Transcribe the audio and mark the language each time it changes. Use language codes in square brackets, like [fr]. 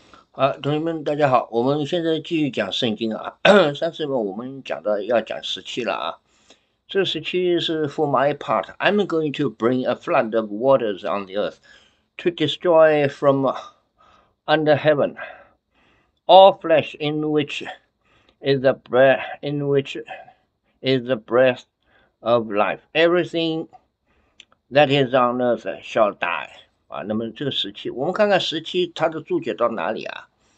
[zh] 啊，同学们，大家好，我们现在继续讲圣经啊。上次我们讲到要讲十七了啊。这十七是 [en] For my part, I'm going to bring a flood of waters on the earth to destroy from under heaven all flesh in which is the breath, in which is the breath of life. Everything that is on earth shall die. [zh] 啊，那么这个十七，我们看看十七它的注解到哪里啊？